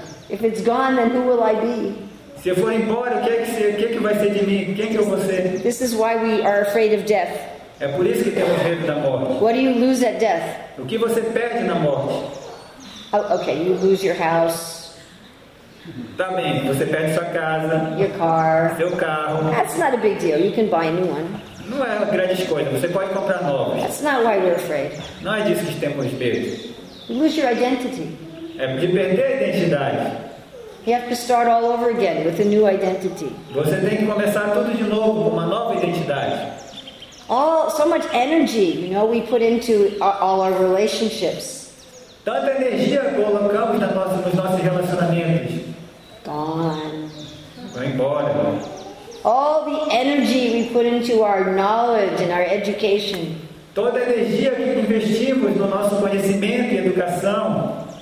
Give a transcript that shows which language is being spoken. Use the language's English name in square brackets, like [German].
[English] If it's gone, then who will I be? [Portuguese] Se eu for embora, o que vai ser de mim? Quem que eu vou ser? [English] This is why we are afraid of death. [Portuguese] É por isso que temos medo da morte. [English] What do you lose at death? [Portuguese] O que você perde na morte? [English] Oh, okay, you lose your house. [Portuguese] Tá bem, você perde sua casa. [English] Your car. [Portuguese] Seu carro. [English] That's not a big deal. You can buy a new one. [Portuguese] Não é uma grande coisa. Você pode comprar novos. [English] That's not why we're afraid. [Portuguese] Não é disso que temos medo. [English] You lose your identity. [Portuguese] É de perder a identidade. [English] You have to start all over again with a new identity. [Portuguese] Você tem que começar tudo de novo com uma nova identidade. [English] All so much energy, you know, we put into all our relationships. [Portuguese] Tanta energia colocamos nos nossos relacionamentos. [English] Gone. [Portuguese] Vai embora. [English] All the energy we put into our knowledge and our education. [Portuguese] Toda a energia que investimos no nosso conhecimento e educação.